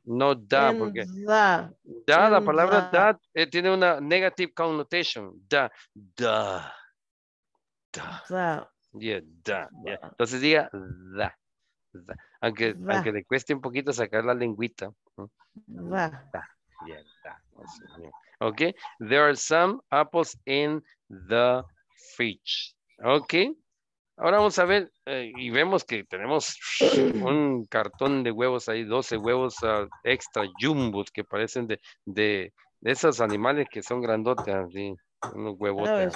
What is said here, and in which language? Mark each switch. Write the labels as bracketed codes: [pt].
[es] No da, porque da, la palabra da tiene una [en] negative connotation. Da, da, da, yeah, da. Yeah. [es] Entonces diga da, da. Aunque le cueste un poquito sacar la lengüita. Da, da. Yeah, da. [en] Okay, there are some apples in the fridge. Okay. [es] Ahora vamos a ver, y vemos que tenemos un cartón de huevos ahí, 12 huevos extra jumbo, que parecen de esos animales que son grandotes, así, unos huevotes.